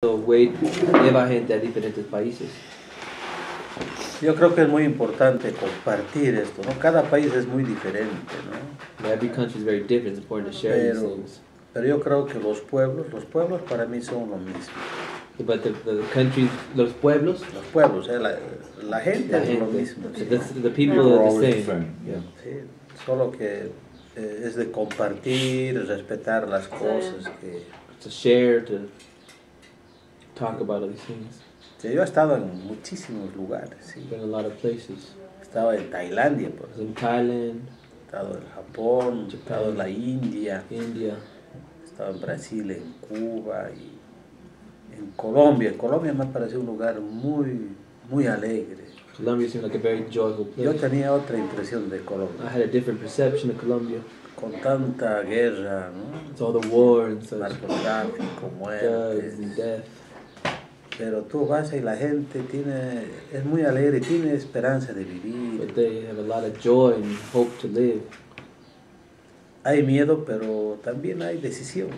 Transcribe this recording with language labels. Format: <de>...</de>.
<es>Wade lleva gente a diferentes países. Yo creo que es muy importante compartir esto, ¿no? Cada país es muy diferente, ¿no?</es> <en>Every country is very different. It's important to share these things.</en> <es>Pero yo creo que los pueblos para mí son lo mismo.</es> <en>But the countries,</en> <es>los pueblos, la gente es lo mismo.</es> <en>The people are the same. Yeah.</en> <es>Sí, solo que es de compartir, respetar las cosas que.</es> <en>To share, to talk about all these things.</en> <es>Sí, yo he estado en muchísimos lugares. Sí.</es> <en>Been a lot of places.</en> <es>Estaba en Tailandia, por ejemplo.</es> <en>In Thailand.</en> <es>Estado en Japón. Japan. Estado en la India.</es> <en>India.</en> <es>Estaba en Brasil, en Cuba y en Colombia. Colombia me pareció un lugar muy, muy alegre.</es> <en>Colombia seemed like a very joyful place.</en> <es>Yo tenía otra impresión de Colombia.</es> <en>I had a different perception of Colombia.</en> <es>Con tanta guerra, ¿no?</es> <en>It's all the war and such.</en> <es>Narcotráfico, muerte.</es> <en>Drugs and death.</en> <es>Pero tú vas y la gente es muy alegre, tiene esperanza de vivir.</es> <en>But they have a lot of joy and hope to live.</en> <es>Hay miedo, pero también hay decisión.</es>